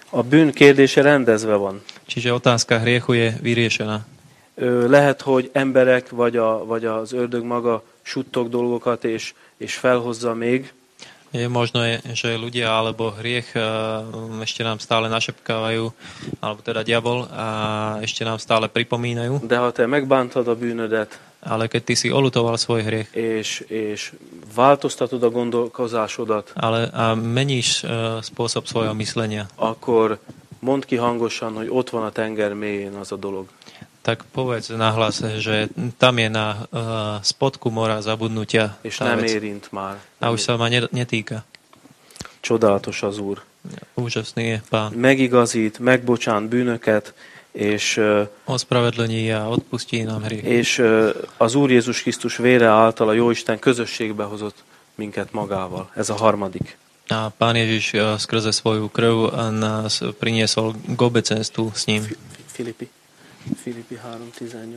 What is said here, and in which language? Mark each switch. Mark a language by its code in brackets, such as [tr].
[hu] A bűn kérdése rendezve van. [sk] Čiže otázka hriechu je vyriešená. [hu] Lehet, hogy emberek vagy az ördög maga suttog dolgokat és felhozza még. [sk] Je možno, že ľudia alebo hriech ešte nám stále našepkávajú, alebo teda diabol, a ešte nám stále pripomínajú. [hu] De ha te megbántod a bűnödet, [sk] ale keď ty si olutoval svoj hriech [hu] és változtatod a gondolkozásodat, [sk] ale a meníš spôsob svojho myslenia, [hu] akkor mondd ki hangosan, hogy ott van a tenger mélyén az a dolog. [sk] Tak povedz nahlas, že tam je na spodku mora zabudnutia. [hu] És nem érint már. [sk] A už sa ma netýka. [hu] Csodálatos az Úr. [sk] Úžasný je Pán. [hu] Megigazít, megbocsán bűnöket, és [sk] ospravedlní a odpustí nám hriechy. [hu] És az Úr Jézus Krisztus vére által a Jóisten közösségbe hozott minket magával. Ez a harmadik. [sk] A Pán Ježiš skrze svoju krv nás priniesol k obecenstvu s ním. [hu] Filipi 3.18.